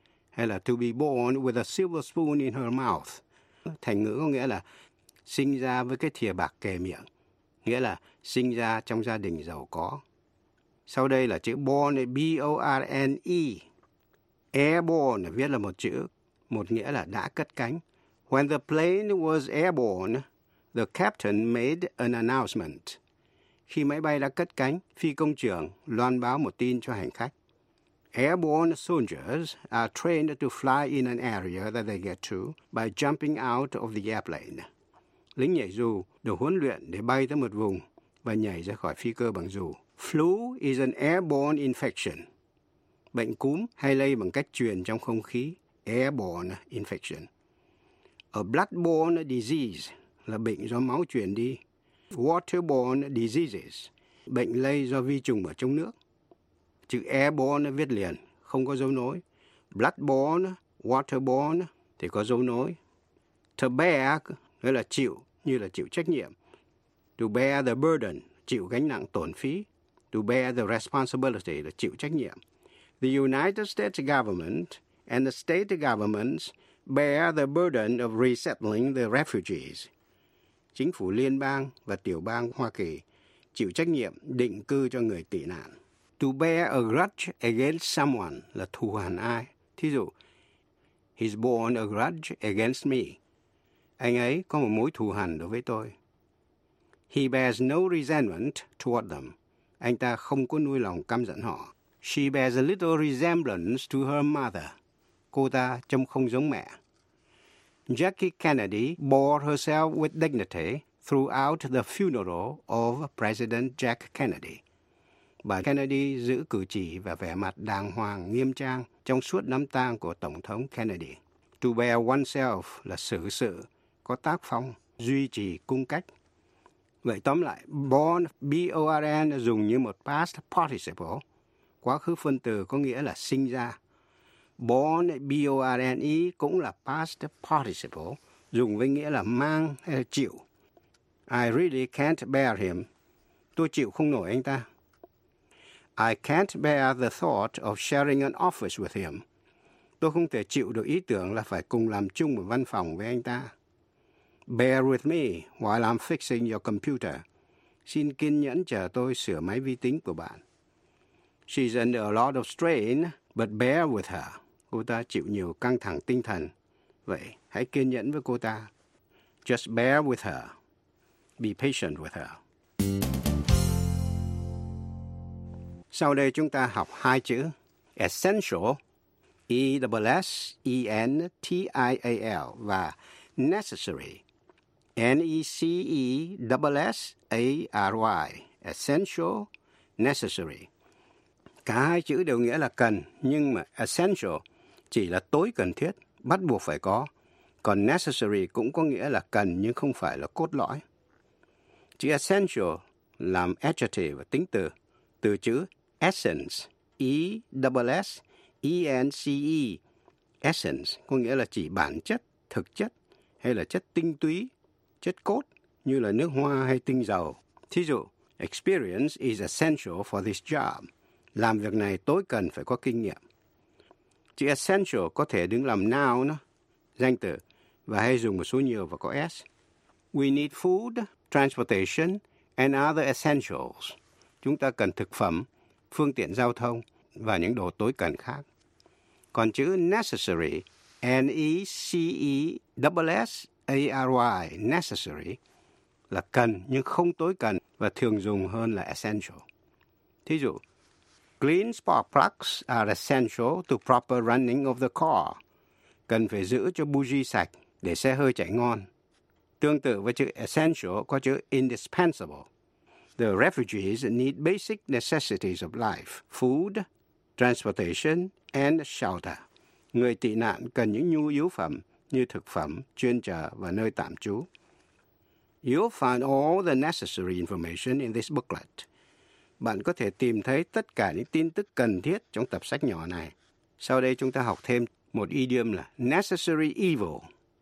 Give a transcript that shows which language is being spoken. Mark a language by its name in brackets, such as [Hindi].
[Vietnamese] Hay là [English] to be born with a silver spoon in her mouth. [Vietnamese] Thành ngữ có nghĩa là sinh ra với cái thìa bạc kề miệng. Nghĩa là sinh ra trong gia đình giàu có. Sau đây là chữ born, B-O-R-N-E. Airborne viết là một chữ, một nghĩa là đã cất cánh. [English] When the plane was airborne, the captain made an announcement. [Vietnamese] Khi máy bay đã cất cánh, phi công trưởng loan báo một tin cho hành khách. [English] Airborne soldiers are trained to fly in an area that they get to by jumping out of the airplane. [Vietnamese] lính nhảy dù được huấn luyện để bay tới một vùng và nhảy ra khỏi phi cơ bằng dù. [English] Flu is an airborne infection. [Vietnamese] Bệnh cúm hay lây bằng cách truyền trong không khí. [English] Airborne infection. A bloodborne disease [Vietnamese] là bệnh do máu truyền đi. [English] Waterborne diseases, [Vietnamese] bệnh lây do vi trùng ở trong nước. Chữ airborne viết liền, không có dấu nối. Bloodborne, waterborne thì có dấu nối. [English] To bear, [Vietnamese] nghĩa là chịu, như là chịu trách nhiệm. [English] To bear the burden, [Vietnamese] chịu gánh nặng tổn phí. [English] To bear the responsibility, [Vietnamese] là chịu trách nhiệm. [English] The United States government and the state governments bear the burden of resettling the refugees. [Vietnamese] Chính phủ liên bang và tiểu bang Hoa Kỳ chịu trách nhiệm định cư cho người tị nạn. [English] To bear a grudge against someone [Vietnamese] là thù hằn ai. Thí dụ, [English] he's borne a grudge against me. [Vietnamese] Anh ấy có một mối thù hằn đối với tôi. [English] He bears no resentment toward them. [Vietnamese] Anh ta không có nuôi lòng căm giận họ. [English] She bears a little resemblance to her mother. [Vietnamese] Cô ta trông không giống mẹ. [English] Jackie Kennedy bore herself with dignity throughout the funeral of President Jack Kennedy. [Vietnamese] Bà Kennedy giữ cử chỉ và vẻ mặt đàng hoàng, nghiêm trang trong suốt đám tang của Tổng thống Kennedy. [English] To bear oneself [Vietnamese] là xử sự, có tác phong, duy trì cung cách. Vậy tóm lại, born, B-O-R-N, dùng như một past participle, quá khứ phân từ có nghĩa là sinh ra. Born, B-O-R-N-E, cũng là past participle, dùng với nghĩa là mang hay là chịu. [English] I really can't bear him. [Vietnamese] Tôi chịu không nổi anh ta. [English] I can't bear the thought of sharing an office with him. [Vietnamese] Tôi không thể chịu được ý tưởng là phải cùng làm chung một văn phòng với anh ta. [English] Bear with me while I'm fixing your computer. [Vietnamese] Xin kiên nhẫn chờ tôi sửa máy vi tính của bạn. [English] She's under a lot of strain, but bear with her. [Vietnamese] Cô ta chịu nhiều căng thẳng tinh thần. Vậy, hãy kiên nhẫn với cô ta. [English] Just bear with her. Be patient with her. [Vietnamese] Sau đây chúng ta học hai chữ. Essential, E-S-S-E-N-T-I-A-L, và necessary, N-E-C-E-S-S-A-R-Y. [English] Essential, necessary. [Vietnamese] Cả hai chữ đều nghĩa là cần, nhưng mà essential chỉ là tối cần thiết, bắt buộc phải có. Còn necessary cũng có nghĩa là cần nhưng không phải là cốt lõi. Chữ essential làm adjective và tính từ. Từ chữ essence, E-S-S-E-N-C-E. Essence có nghĩa là chỉ bản chất, thực chất hay là chất tinh túy, chất cốt như là nước hoa hay tinh dầu. Thí dụ, [English] experience is essential for this job. [Vietnamese] Làm việc này tối cần phải có kinh nghiệm. Chữ essential có thể đứng làm noun, danh từ, và hay dùng một số nhiều và có S. [English] We need food, transportation, and other essentials. [Vietnamese] Chúng ta cần thực phẩm, phương tiện giao thông và những đồ tối cần khác. Còn chữ necessary, N-E-C-E-S-S-A-R-Y, necessary, là cần nhưng không tối cần và thường dùng hơn là essential. Thí dụ, [English] clean spark plugs are essential to proper running of the car. [Vietnamese] Cần phải giữ cho bougie sạch để xe hơi chạy ngon. Tương tự với chữ essential có chữ indispensable. [English] The refugees need basic necessities of life, food, transportation, and shelter. [Vietnamese] Người tị nạn cần những nhu yếu phẩm như thực phẩm, chuyên chở và nơi tạm trú. [English] You'll find all the necessary information in this booklet. [Vietnamese] Bạn có thể tìm thấy tất cả những tin tức cần thiết trong tập sách nhỏ này. Sau đây chúng ta học thêm một idiom là necessary evil.